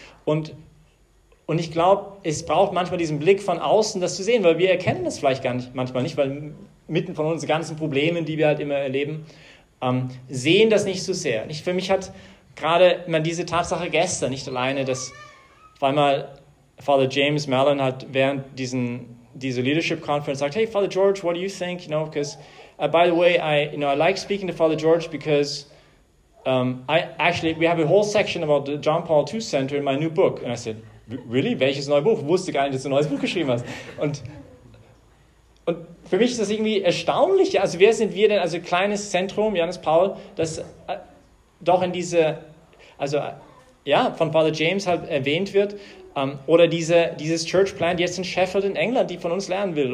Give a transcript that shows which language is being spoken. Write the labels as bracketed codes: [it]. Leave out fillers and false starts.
[de] Und ich glaube, es braucht manchmal diesen Blick von außen, das zu sehen, weil wir erkennen das vielleicht gar nicht, manchmal nicht, weil mitten von unseren ganzen Problemen, die wir halt immer erleben, sehen das nicht so sehr. Nicht, für mich hat gerade diese Tatsache gestern, nicht alleine, dass auf einmal Father James Mallon hat während dieser Leadership Conference sagt, [en] hey, Father George, what do you think? You know, because, by the way, I like speaking to Father George because we have a whole section about the John Paul II Center in my new book. And I said, really? [de] Welches neue Buch? Wusste gar nicht, dass du ein neues Buch geschrieben hast. Und für mich ist das irgendwie erstaunlich. Also wer sind wir denn? Also kleines Zentrum, Johannes Paul, das doch in diese, also ja, von Father James halt erwähnt wird. Oder dieses Church Plant jetzt in Sheffield in England, die von uns lernen will.